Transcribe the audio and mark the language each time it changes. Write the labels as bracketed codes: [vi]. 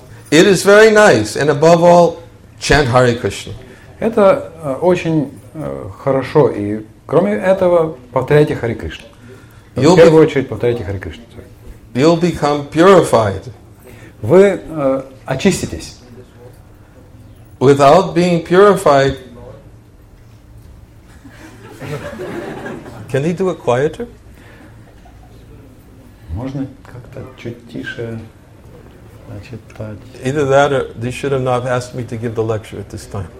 [en] It is very nice, and above all, chant Hare Krishna. [ru] Это очень хорошо, и кроме этого, повторяйте Хари Кришну. В первую очередь, повторяйте Хари Кришну. [en] You'll become purified. [ru] Вы очиститесь. [en] Without being purified, can he do it quieter? Hmm? [ru] Можно как-то чуть тише читать. [en] Either that or they should have not asked me to give the lecture at this time.